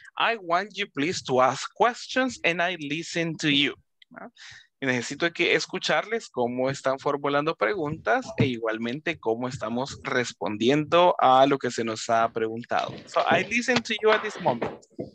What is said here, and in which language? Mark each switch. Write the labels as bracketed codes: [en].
[en] I want you please to ask questions and I listen to you. [es] Necesito que escucharles cómo están formulando preguntas e igualmente cómo estamos respondiendo a lo que se nos ha preguntado. [en] So I listen to you at this moment.